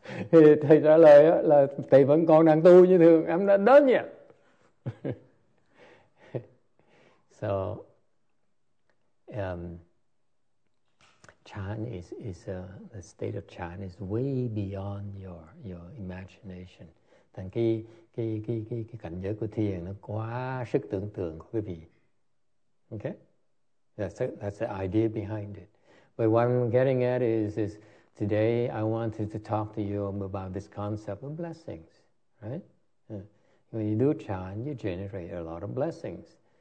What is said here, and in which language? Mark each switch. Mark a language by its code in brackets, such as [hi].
[vi] Thì thầy trả lời là thầy vẫn còn đang tu như thường, em đã đến nhỉ. [en] So chan is the state of chan is way beyond your imagination. [vi] Thành cái cảnh giới của thiền nó quá sức tưởng tượng của quý vị. [en] Okay, that's the idea behind it. But what I'm getting at is today I wanted to talk to you about this concept of blessings, right? When you do chan, you generate a lot of blessings.